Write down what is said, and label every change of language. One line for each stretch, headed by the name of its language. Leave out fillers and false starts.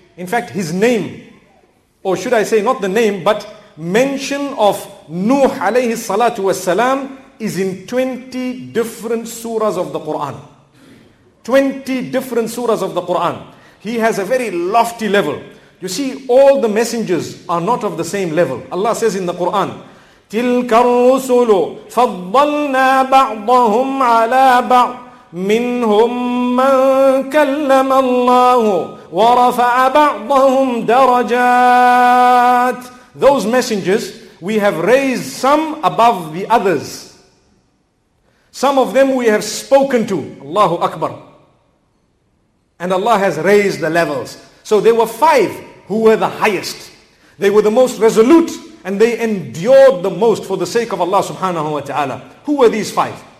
English: In fact, his name, or should I say not the name, but mention of Nuh alayhi salatu wasalam is in 20 different surahs of the Quran. 20 different surahs of the Quran. He has a very lofty level. You see, all the messengers are not of the same level. Allah says in the Quran,
Arabic: تِلْكَ الرُّسُلُ فَضَّلْنَا بَعْضَهُمْ عَلَىٰ بَعْضٍ مِّنْهُمْ مَنْ كَلَّمَ اللَّهُ وَرَفَعَ بَعْضَهُمْ دَرَجَاتٍ.
English: Those messengers, we have raised some above the others. Some of them we have spoken to. Allahu Akbar. And Allah has raised the levels. So there were five who were the highest. They were the most resolute and they endured the most for the sake of Allah subhanahu wa ta'ala. Who were these five?